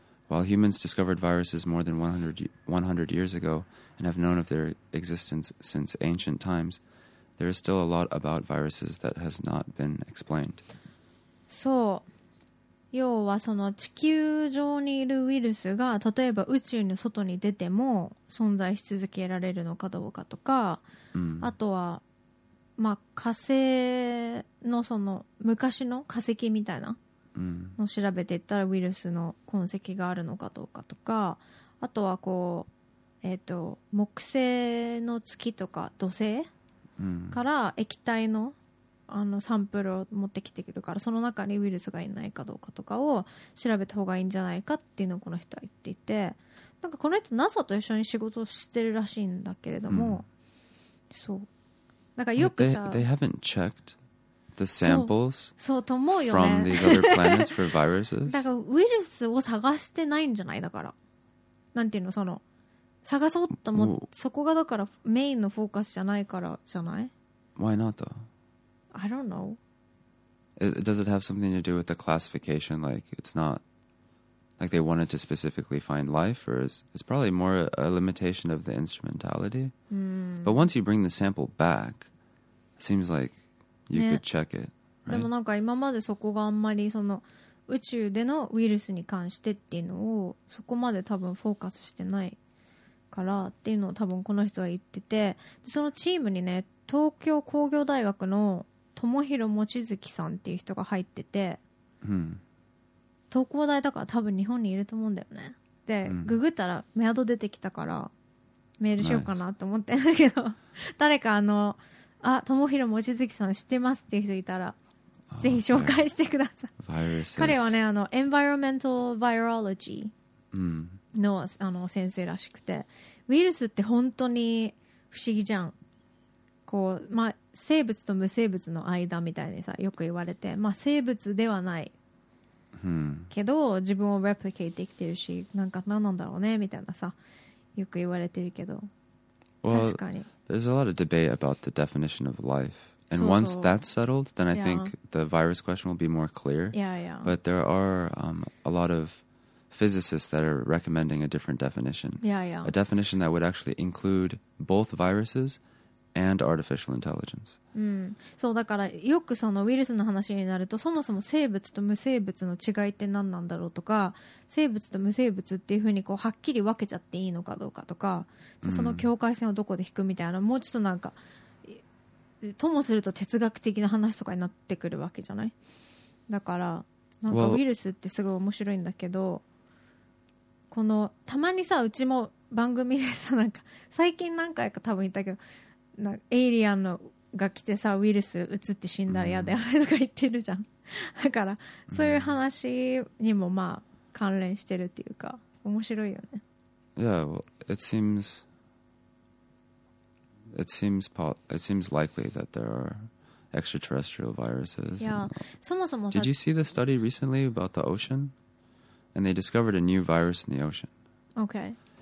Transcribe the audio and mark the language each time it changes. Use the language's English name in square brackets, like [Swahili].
[English] While humans discovered viruses more than 100 years ago and have known of their existence since ancient times, there is still a lot about viruses that has not been explained. [Japanese] そう。要はその地球上にいるウイルスが、例えば宇宙の外に出ても存在し続けられるのかどうかとか、あとは、まあ、火星のその昔の化石みたいなのを調べていったらウイルスの痕跡があるのかどうかとか、あとはこう木星の月とか土星から液体の、あのサンプルを持ってきてくるから、その中にウイルスがいないかどうかとかを調べた方がいいんじゃないかっていうのをこの人は言っていて、なんかこの人 NASA と一緒に仕事をしてるらしいんだけれども、そう、なんかよくさ、 [English] they haven't checked the samples [Japanese] そうと思うよ、ね、 [English] from these other planets for viruses. [Japanese] だからウイルスを探してないんじゃない、だからなんていうの、その探そうと思って、そこがだからメインのフォーカスじゃないからじゃない。 [English] Why not though? I don't know. Does it have something to do with the classification? Like it's not like they wanted to specifically find life, or is it's probably more a limitation of the instrumentality. But once you bring the sample back, it seems like you could check it, right? [Japanese] でもなんか今までそこがあんまりその宇宙でのウイルスに関してっていうのをそこまで多分フォーカスしてないからっていうのを多分この人は言ってて、でそのチームにね、東京工業大学の友博望月さんっていう人が入ってて、東工大だから多分日本にいると思うんだよね。で、ググったらメアド出てきたからメールしようかなと思ってんだけど、誰かあの、あ、友博望月さん知ってますっていう人いたら、ぜひ紹介してください。彼はね、あの、Environmental Virology の、あの先生らしくて、ウイルスって本当に不思議じゃん。こう、まあ、生物と無生物の間みたいにさ、よく言われて、まあ、生物ではない。けど自分をレプリケイトできてるし、なんか何なんだろうねみたいなさ、よく言われてるけど、 [English] well, [Japanese] 確かに [English] there's a lot of debate about the definition of life, and [Japanese] そうそう [English] once that's settled, then I think the virus question will be more clear. But there are a lot of physicists that are recommending a different definition. A definition that would actually include both virusesAnd artificial intelligence. [Japanese] そうだからよくそのウイルスの話になると、そもそも生物と無生物の違いって何なんだろうとか、生物と無生物っていうふうにこうはっきり分けちゃっていいのかどうかとか、その境界線をどこで引くみたいな、もうちょっとなんかともすると哲学的な話とかになってくるわけじゃない。だからなんかウイルスってすごい面白いんだけど、このたまにさ、うちも番組でさ、なんか最近何回か多分言ったけど、なエイリアンのが来てさ、ウイルス移って死んだら嫌だよねとか言ってるじゃん。だからそういう話にもまあ関連してるっていうか、面白いよね。 [English] Yeah, well, it seems likely that there are extraterrestrial viruses. [Japanese] Yeah, そもそも [English] Did you see the study recently about the ocean? And they discovered a new virus in the ocean. Okay.